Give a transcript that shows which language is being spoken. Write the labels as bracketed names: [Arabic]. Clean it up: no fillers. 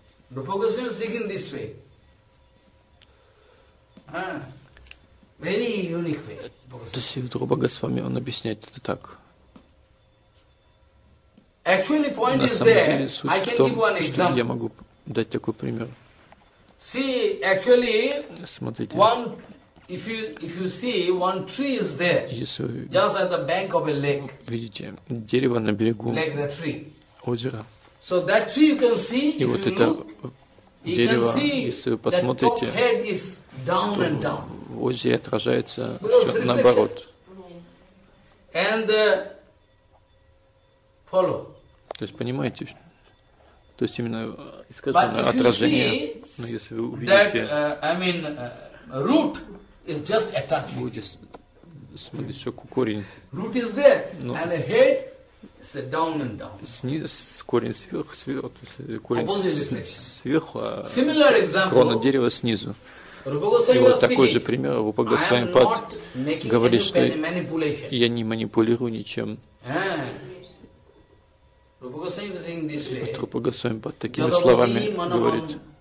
[Russian] Рупа Госвами Пад говорит так. Очень уникальный способ. То есть Рупа Госвами, он объясняет это так. [English] Actually, point is there. I can give one example. [Russian] Я могу дать такой пример. [English] See, actually, [Russian] смотрите. [English] One, if you see, one tree is there. [Russian] Если вы [English] just at the bank of a lake. [Russian] Видите, дерево на берегу. [English] Like the tree. [Russian] Озеро. [English] So that tree you can see. [Russian] И вот это дерево, если вы посмотрите, в озере отражается наоборот. [English] And follow. [Russian] То есть понимаете, то есть именно искажено отражение, но если вы увидите, [English] root is just attached. [Russian] Будете смотреть, что корень. [English] Root is there, но and the head is down and down. [Russian] Снизу корень сверху, то есть корень сверху, а [English] similar example, [Russian] крона дерева снизу. И вот такой же пример Рупа Госвами Пад говорит, что я не манипулирую ничем. Вот Рупа Госвами Бхат такими словами говорит.